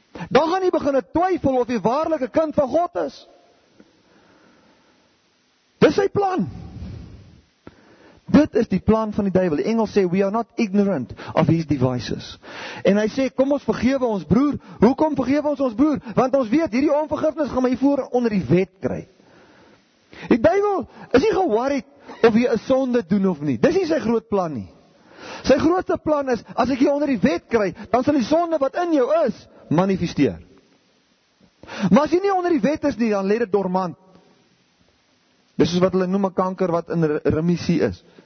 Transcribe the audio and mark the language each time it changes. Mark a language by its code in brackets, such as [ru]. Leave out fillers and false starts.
[af] Dan gaan jy begin twyfel of jy waarlik 'n kind van God is. Dis sy plan. Dit is die plan van die duivel. Die engel sê, [en] we are not ignorant of his devices. [af] En hy sê, kom ons vergewe ons broer. Hoekom vergewe ons ons broer? Want ons weet, hierdie onvergifnis gaan my voor onder die wet kry. Die duivel is nie geworried of jy 'n sonde doen of nie. Dis nie sy groot plan nie. Sy grootste plan is, as ek jy onder die wet kry, dan sal die sonde wat in jou is, manifesteer. Maar as jy nie onder die wet is nie, dan lê dit dormant. Dis is wat hulle noem 'n kanker wat in remissie is.